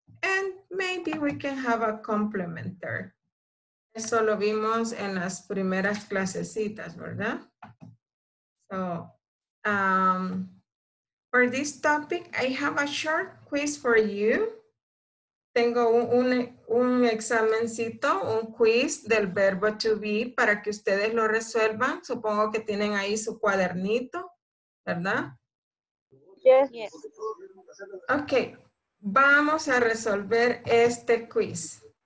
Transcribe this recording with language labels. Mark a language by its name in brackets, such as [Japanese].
[English] And maybe we can have a complement there. [Spanish] Eso lo vimos en las primeras clasecitas, ¿verdad? [English] So, for this topic, I have a short quiz for you. [Spanish] Tengo un examencito, un quiz del verbo to be para que ustedes lo resuelvan. Supongo que tienen ahí su cuadernito, ¿verdad? [English] Yes. [Spanish] Ok, vamos a resolver este quiz.